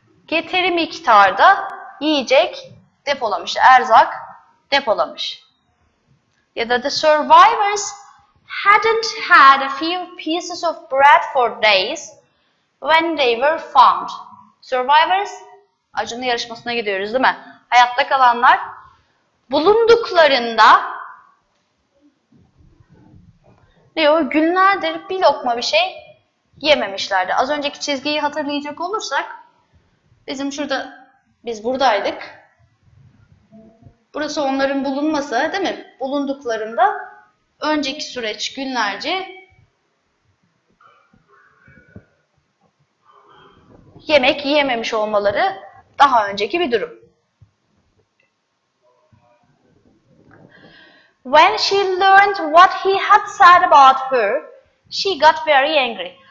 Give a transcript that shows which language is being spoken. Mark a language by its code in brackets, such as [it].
[tr] Yeteri miktarda yiyecek depolamış, erzak depolamış. Ya da [en] the survivors hadn't had a few pieces of bread for days when they were found. [tr] Survivors, acının yarışmasına gidiyoruz değil mi? Hayatta kalanlar bulunduklarında diyor, günlerdir bir lokma bir şey yememişlerdi. Az önceki çizgiyi hatırlayacak olursak, bizim şurada, biz buradaydık. Burası onların bulunması değil mi? Bulunduklarında önceki süreç günlerce yemek yiyememiş olmaları daha önceki bir durum. [en] When she learned what he had said about her, she got very angry.